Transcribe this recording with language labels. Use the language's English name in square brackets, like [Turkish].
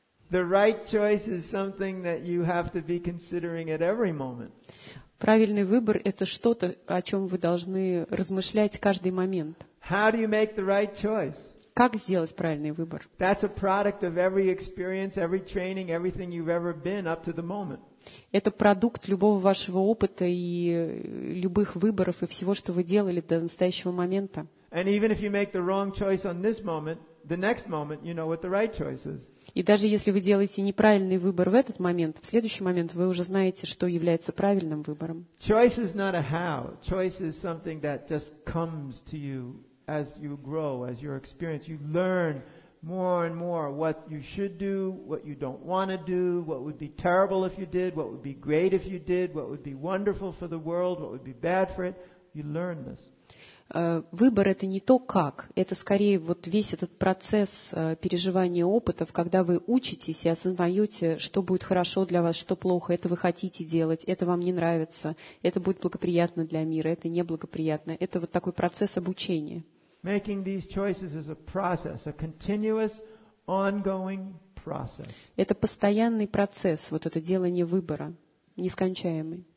[English] The right choice is something that you have to be considering at every moment. [Russian] Правильный выбор – это что-то, о чем вы должны размышлять каждый момент. [English] How do you make the right choice? [Russian] Как сделать правильный выбор? [English] That's a product of every experience, every training, everything you've ever been up to the moment. [Russian] Это продукт любого вашего опыта и любых выборов и всего, что вы делали до настоящего момента. [English] And even if you make the wrong choice on this moment, the next moment you know what the right choice is. [Russian] И даже если вы делаете неправильный выбор в этот момент, в следующий момент вы уже знаете, что является правильным выбором. [English] Choice is not a how. Choice is something that just comes to you as you grow, as your experience. You learn more and more what you should do, what you don't want to do, what would be terrible if you did, what would be great if you did, what would be wonderful for the world, what would be bad for it. You learn this. [Russian] Выбор – это не то, как. Это скорее вот весь этот процесс переживания опытов, когда вы учитесь и осознаете, что будет хорошо для вас, что плохо, это вы хотите делать, это вам не нравится, это будет благоприятно для мира, это неблагоприятно. Это вот такой процесс обучения. [English] Making these choices is a process, a continuous, ongoing process. [Russian] Это постоянный процесс, вот это делание выбора, нескончаемый.